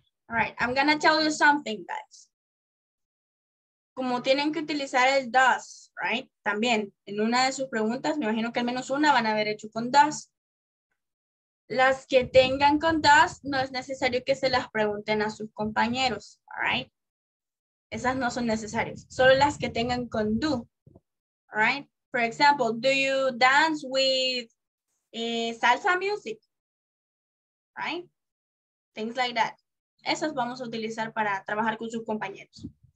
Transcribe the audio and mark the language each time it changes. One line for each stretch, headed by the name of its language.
English: All right, I'm gonna tell you something, guys.
Spanish: Como tienen que utilizar el does, right? También, en una de sus preguntas, me imagino que al menos una van a haber hecho con does. Las que tengan con does, no es necesario que se las pregunten a sus compañeros, right? Esas no son necesarias. Solo las que tengan con do, right?
English: For example, do you dance with salsa music? Right? Things like that.
Spanish: Esas vamos a utilizar para trabajar con sus compañeros.